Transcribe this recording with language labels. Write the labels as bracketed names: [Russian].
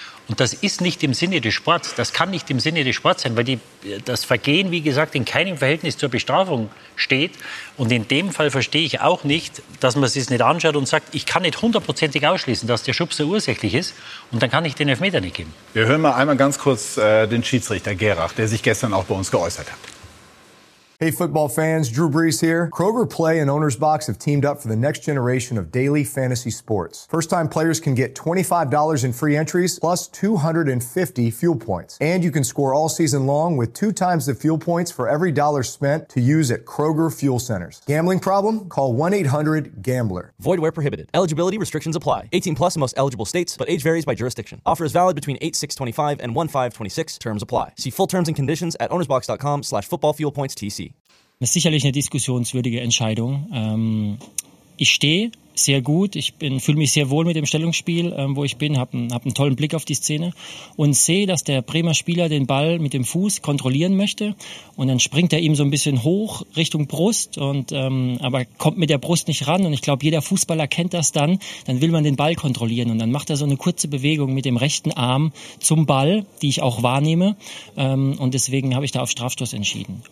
[German] Und das ist nicht im Sinne des Sports. Das kann nicht im Sinne des Sports sein, weil das Vergehen, wie gesagt, in keinem Verhältnis zur Bestrafung steht. Und in dem Fall verstehe ich auch nicht, dass man es sich nicht anschaut und sagt, ich kann nicht hundertprozentig ausschließen, dass der Schubser ursächlich ist. Und dann kann ich den Elfmeter nicht geben. Wir hören mal einmal ganz kurz den Schiedsrichter Gerach, der sich gestern auch bei uns geäußert hat. [English] Hey, football fans, Drew Brees here. Kroger Play and Owner's Box have teamed up for the next generation of daily fantasy sports. First-time players can get $25 in free entries, plus 250 fuel points. And you can score all season long with 2x the fuel points for every dollar spent to use at Kroger Fuel Centers. Gambling problem? Call 1-800-GAMBLER. Void where prohibited. Eligibility restrictions apply. 18 plus in most eligible states, but age varies by jurisdiction. Offer is valid between 8/6/25 and 1/5/26. Terms apply. See full terms and conditions at ownersbox.com/footballfuelpointstc. [German] Das ist sicherlich eine diskussionswürdige Entscheidung. Ich stehe sehr gut, fühle mich sehr wohl mit dem Stellungsspiel, wo ich bin, habe einen tollen Blick auf die Szene und sehe, dass der Bremer Spieler den Ball mit dem Fuß kontrollieren möchte und dann springt er ihm so ein bisschen hoch Richtung Brust, aber kommt mit der Brust nicht ran und ich glaube, jeder Fußballer kennt das dann will man den Ball kontrollieren und dann macht er so eine kurze Bewegung mit dem rechten Arm zum Ball, die ich auch wahrnehme und deswegen habe ich da auf Strafstoß entschieden.